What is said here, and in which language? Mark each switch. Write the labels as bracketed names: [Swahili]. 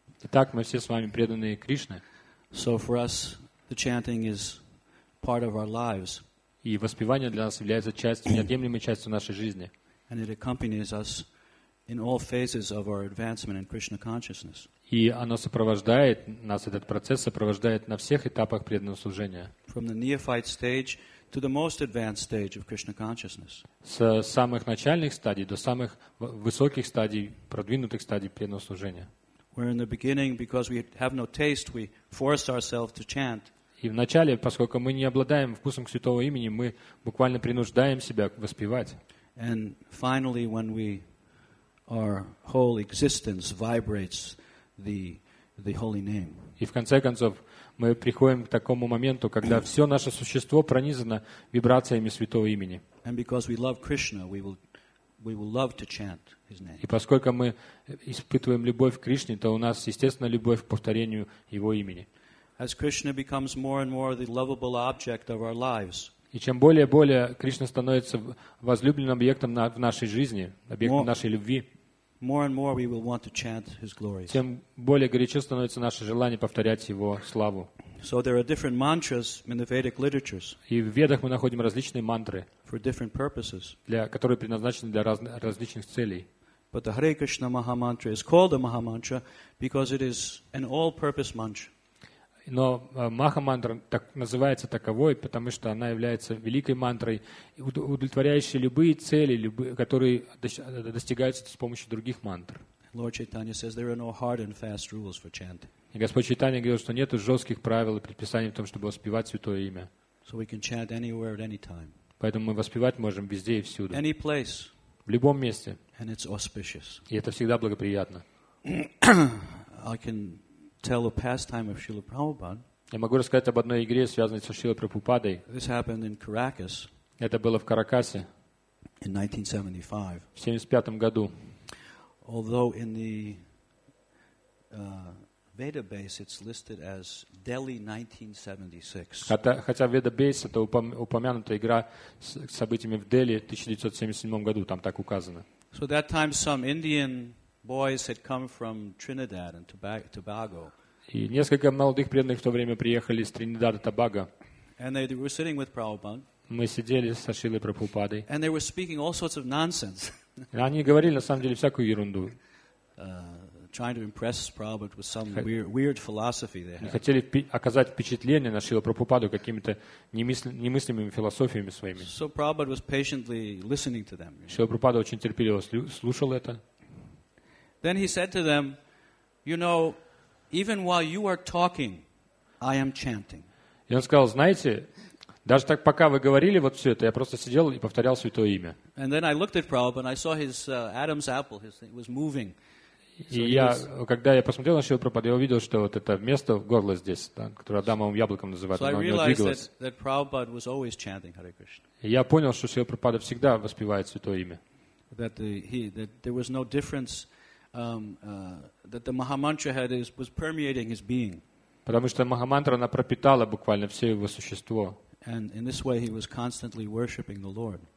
[Russian] Итак, мы все с вами преданные Кришне. [English] So for us, the chanting is part of our lives. [Russian] И воспевание для нас является частью, неотъемлемой частью нашей жизни. [English] And it accompanies us in all phases of our advancement in Krishna consciousness. [Russian] И оно сопровождает нас, этот процесс сопровождает на всех этапах преданного служения. [English] From the neophyte stage to the most advanced stage of Krishna consciousness. [Russian] С самых начальных стадий до самых высоких стадий, продвинутых стадий преданного служения. [English] We're in the beginning because we have no taste, we force ourselves to chant. [Russian] И в начале, поскольку мы не обладаем вкусом к святого имени, мы буквально принуждаем себя воспевать. [English] And finally, when we our whole existence vibrates the holy name. [Russian] И в конце концов мы приходим к такому моменту, когда всё наше существо пронизано вибрациями святого имени. [English] And because we love Krishna, we will love to chant his name. [Russian] И поскольку мы испытываем любовь к Кришне, то у нас естественно любовь к повторению его имени. [English] As Krishna becomes more and more the lovable object of our lives. [Russian] И чем более и более Кришна становится возлюбленным объектом в нашей жизни, объектом нашей любви, [English] more and more we will want to chant his glories. [Russian] Тем более горячо становится наше желание повторять его славу. [English] So there are different mantras in the Vedic literatures. [Russian] И в ведах мы находим различные мантры, [English] for different purposes. [Russian] Для которые предназначены для различных целей. [English] But the Hare Krishna Maha Mantra is called a Maha Mantra because it is an all-purpose mantra. [Russian] Но Маха-мантра так называется таковой, потому что она является великой мантрой, удовлетворяющей любые цели, которые достигаются с помощью других мантр. [English] Lord Chaitanya says there are no hard and fast rules for chanting. [Russian] И Господь Чайтанья говорит, что нет жестких правил и предписаний в том, чтобы воспевать святое имя. [English] So we can chant anywhere at any time. [Russian] Поэтому мы воспевать можем везде и всюду. [English] Any place. [Russian] В любом месте. [English] And it's auspicious. [Russian] И это всегда благоприятно. [English] I can tell a pastime of Srila Prabhupada. [Russian] Я могу рассказать об одной игре, связанной со Шрилой Прабхупадой. [English] This happened in Caracas. [Russian] Это было в Каракасе. [English] In 1975. [Russian] В 75 году. [English] Although in the Veda base it's listed as Delhi 1976. [Russian] Хотя в Veda base это упомянута игра с событиями в Дели в 1977 году, там так указано. [English] So that time some Indian boys had come from Trinidad and Tobago. [Russian] И несколько молодых преданных в то время приехали из Тринидада и Тобаго. [English] And they were sitting with Prabhupada. [Russian] Мы сидели со Шрилой Прабхупадой. [English] And they were speaking all sorts of nonsense. [Russian] Они говорили на самом деле всякую ерунду. [English] Trying to impress Prabhupada with some weird philosophy they had. [Russian] Хотели оказать впечатление на Шрилу Прабхупаду какими-то немыслимыми философиями своими. [English] So Prabhupada was patiently listening to them. [Russian] Шрила Прабхупада очень терпеливо слушал это. [English] Then he said to them, you know, even while you are talking, I am chanting. [Russian] И он сказал, знаете, даже так, пока вы говорили вот все это, я просто сидел и повторял святое имя. [English] And then I looked at Prabhupada and I saw his Adam's apple, his thing was moving. [Russian] И я, когда я посмотрел на Шрилу Прабхупаду, я увидел, что вот это место в горло здесь, да, которое Адамовым яблоком называют, оно не двигалось. [English] So I realized that Prabhupada was always chanting Hare Krishna. [Russian] И я понял, что Шрила Прабхупада всегда воспевает святое имя. [English] That there was no difference that the Maha Mantra was permeating his being. [Russian] Потому что Маха Мантра, она пропитала буквально все его существо. [English] And in this way he was constantly worshiping the Lord.